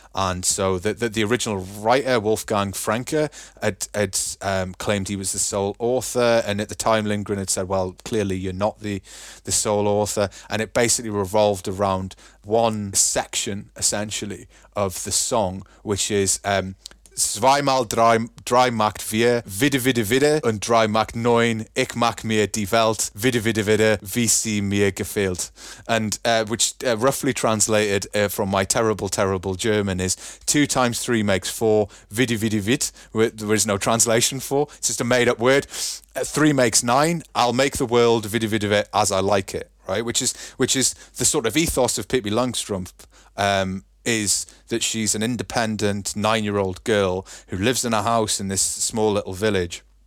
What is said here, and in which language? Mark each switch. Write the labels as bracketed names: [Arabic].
[English] And so the original writer, Wolfgang Franke, had claimed he was the sole author. And at the time, Lindgren had said, well, clearly you're not the sole author. And it basically revolved around one section, essentially, of the song, which is... [German] Zweimal drei macht vier, wieder, wieder, wieder, und drei macht neun, ich mach mir die Welt, wieder, wieder, wieder, wie sie mir gefällt. [English] And which roughly translated from my terrible, terrible German is 2 times 3 makes 4, [German] wieder, wieder, wieder, [English] there is no translation for, it's just a made up word, 3 makes 9, I'll make the world, wieder, wieder, wieder, as I like it, right? Which is the sort of ethos of Pippi Langstrumpf, is that she's an independent 9-year-old girl who lives in a house in this small little village.